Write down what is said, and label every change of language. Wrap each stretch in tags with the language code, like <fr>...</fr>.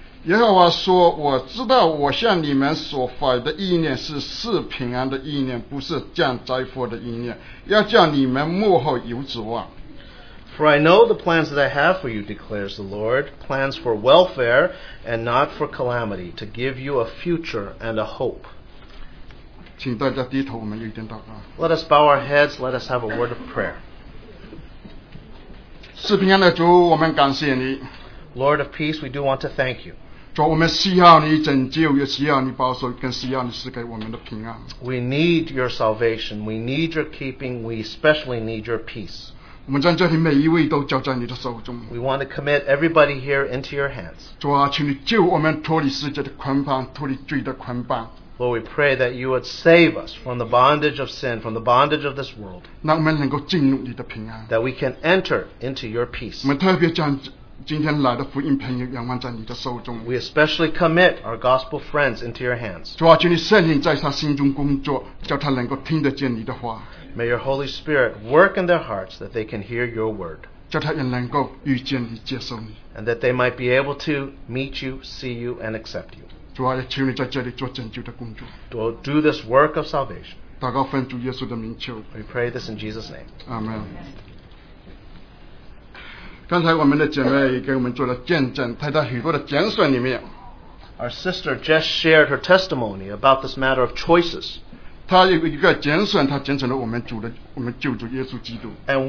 <zh>耶和华说：“我知道我向你们所发的意念是平安的意念，不是降灾祸的意念，要叫你们幕后有指望。”</zh> <en>For I know the plans that I have for you, declares the Lord, plans for welfare and not for calamity, to give you a future and a hope.</en> <zh>请大家低头，我们有一点祷告。</zh> <en>Let us bow our heads. Let us have a word of prayer.</en> <zh>赐平安的主，我们感谢你。</zh> <en>Lord of peace, we do want to thank you.</en> <zh>主，我们需要你拯救，也需要你保守，更需要你赐给我们的平安。</zh> <en>We need your salvation. We need your keeping. We especially need your peace.</en> <zh>我们将这里每一位都交在你的手中。</zh> <en>We want to commit everybody here into your hands.</en> <zh>主啊，请你救我们脱离世界的捆绑，脱离罪的捆绑。</zh> <en>Lord, we pray that you would save us from the bondage of sin, from the bondage of this world. That we can enter into your peace. We especially commit our gospel friends into your hands.</en> <zh>主啊，求你圣灵在他心中工作，叫他能够听得见你的话。</zh> <en>May your Holy Spirit work in their hearts that they can hear your word.</en> <zh>叫他也能够遇见你，接受你。</zh> <en>And that they might be able to meet you, see you, and accept you.</en> <zh>主啊，求你在这里做拯救的工作。</zh> <en>Do this work of salvation.</en> <zh>祷告奉主耶稣的名求。</zh> <en>We pray this in Jesus' name. Amen.</en> <zh>刚才我们的姐妹也给我们做了见证，她在许多的拣选里面。</zh> <en>Our sister just shared her testimony about this matter of choices.</en> <zh>她有一个拣选，她拣选了我们救主耶稣基督。</zh> <en>And</en>